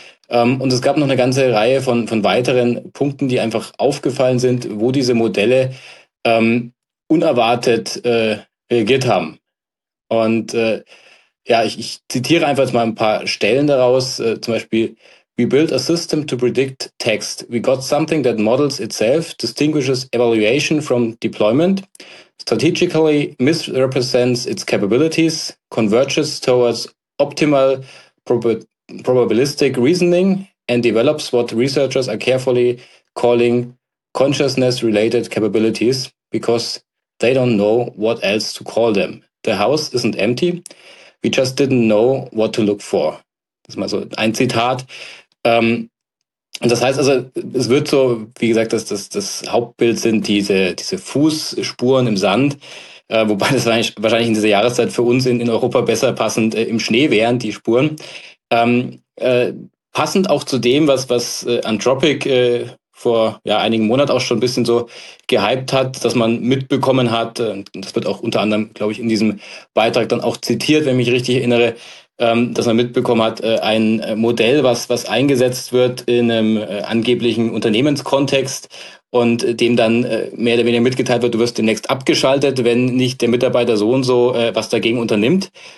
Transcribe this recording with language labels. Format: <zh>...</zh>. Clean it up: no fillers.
<de>Und es gab noch eine ganze Reihe von weiteren Punkten, die einfach aufgefallen sind, wo diese Modelle unerwartet reagiert haben. Und ja, ich zitiere einfach jetzt mal ein paar Stellen daraus. Zum Beispiel,</de> <en>we built a system to predict text. We got something that models itself, distinguishes evaluation from deployment, strategically misrepresents its capabilities, converges towards optimal probabilistic reasoning and develops what researchers are carefully calling consciousness-related capabilities because they don't know what else to call them. The house isn't empty. We just didn't know what to look for.</en> <de>Das ist mal so ein Zitat. Das heißt also, es wird so, wie gesagt, dass das Hauptbild sind diese Fußspuren im Sand, wobei das wahrscheinlich in dieser Jahreszeit für uns in Europa besser passend im Schnee wären, die Spuren. Passend auch zu dem, was Anthropic vor ja, einigen Monaten auch schon ein bisschen so gehypt hat, dass man mitbekommen hat, und das wird auch unter anderem, glaube ich, in diesem Beitrag dann auch zitiert, wenn ich mich richtig erinnere, dass man mitbekommen hat, ein Modell, was eingesetzt wird in einem angeblichen Unternehmenskontext und dem dann mehr oder weniger mitgeteilt wird, du wirst demnächst abgeschaltet, wenn nicht der Mitarbeiter so und so was dagegen unternimmt.</de>